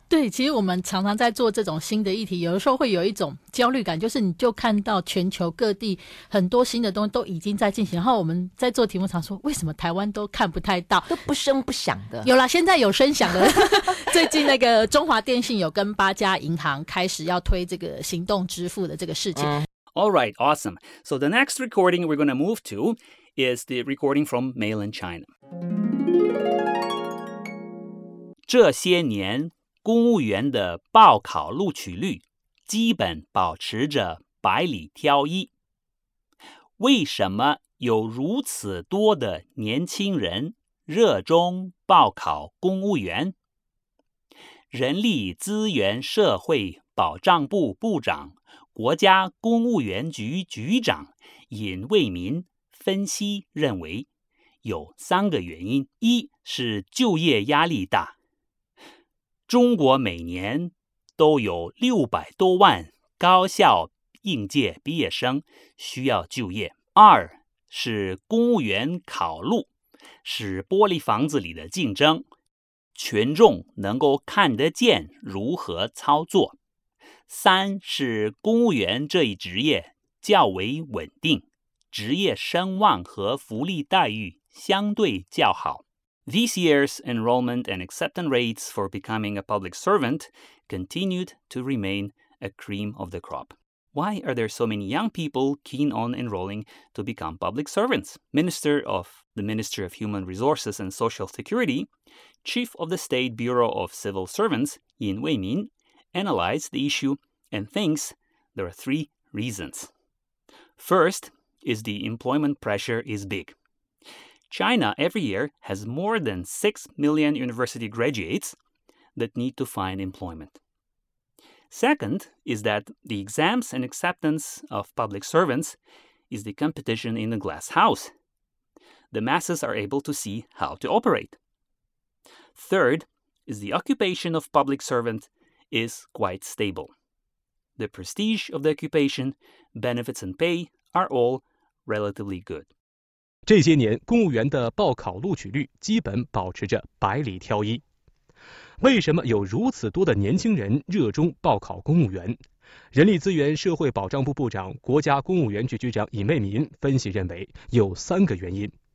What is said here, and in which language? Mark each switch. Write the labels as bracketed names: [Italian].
[Chinese] 对，其实我们常常在做这种新的议题，有的时候会有一种焦虑感，就是你就看到全球各地很多新的东西都已经在进行，然后我们在做题目常说为什么台湾都看不太到，都不声不响的。有啦，现在有声响的。最近那个中华电信有跟八家银行开始要推这个行动支付的这个事情。 [English] Alright, awesome. So the next recording we're going to move to is the recording from mainland China. [Chinese] 这些年公务员的报考录取率基本保持着百里挑一。为什么有如此多的年轻人热衷报考公务员？人力资源社会保障部部长、国家公务员局局长尹卫民分析认为，有三个原因：一是就业压力大。中国每年都有600多万高校应届毕业生需要就业。二是公务员考录是玻璃房子里的竞争，群众能够看得见如何操作。三是公务员这一职业较为稳定，职业声望和福利待遇相对较好。 [English] This year's enrollment and acceptance rates for becoming a public servant continued to remain a cream of the crop. Why are there so many young people keen on enrolling to become public servants? Minister of the Ministry of Human Resources and Social Security, Chief of the State Bureau of Civil Servants, Yin Weimin, analyzed the issue and thinks there are three reasons. First is the employment pressure is big. China every year has more than 6 million university graduates that need to find employment. Second is that the exams and acceptance of public servants is the competition in the glass house. The masses are able to see how to operate. Third is the occupation of public servant is quite stable. The prestige of the occupation, benefits and pay are all relatively good. [Chinese] 这些年公务员的报考录取率基本保持着百里挑一。为什么有如此多的年轻人热衷报考公务员？人力资源社会保障部部长、国家公务员局局长尹蔚民分析认为，有三个原因。